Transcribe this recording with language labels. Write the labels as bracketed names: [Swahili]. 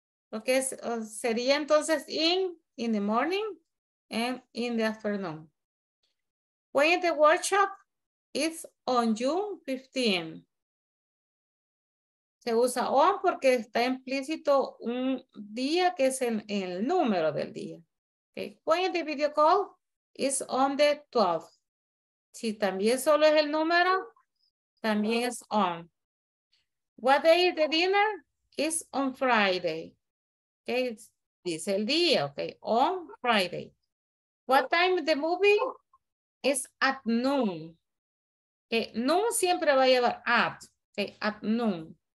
[English] Okay, [Spanish] so sería entonces [English] in the morning, and in the afternoon. When is the workshop? It's on June 15. [Spanish] Se usa on porque está implícito un día que es el número del día. [English] Okay. When the video call is on the 12th. [Spanish] Si también solo es el número, también es on. [English] What day is the dinner? It's on Friday. Okay. [Spanish] Dice el día, [English] okay. On Friday. What time is the movie? It's at noon. Okay, noon [Spanish] siempre va a llevar [English] at, okay, at noon.